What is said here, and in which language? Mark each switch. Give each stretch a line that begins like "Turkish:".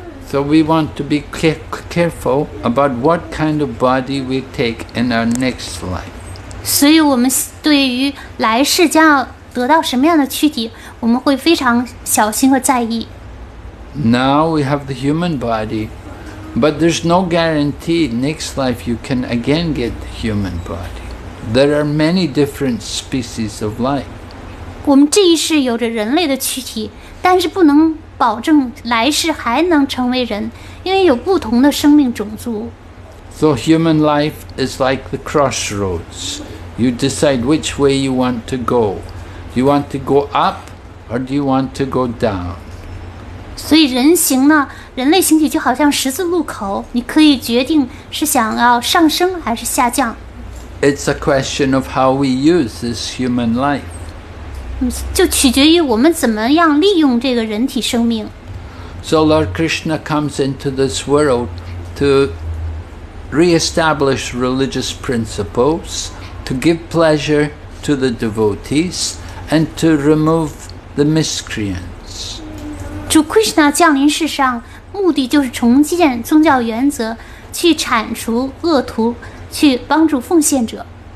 English: So we want to be careful about what kind of body we take in our next life.
Chinese: 所以我们对于来世将要得到什么样的躯体，我们会非常小心和在意。
English: Now we have the human body, but there's no guarantee next life you can again get the human body. There are many different species of life.
Chinese: 我们这一世有着人类的躯体，但是不能保证来世还能成为人，因为有不同的生命种族。
English: So human life is like the crossroads. You decide which way you want to go. Do you want to go up or do you want to go down?
Chinese: 所以人形呢，人类形体就好像十字路口，你可以决定是想要上升还是下降。
English: It's a question of how we use this human life.
Chinese: 就取决于我们怎么样利用这个人体生命。
English: So Lord Krishna comes into this world to... Re-establish religious principles to give pleasure to the devotees and to remove the miscreants.
Chinese: 主 Krishna 降临世上，目的就是重建宗教原则，去铲除恶徒，去帮助奉献者。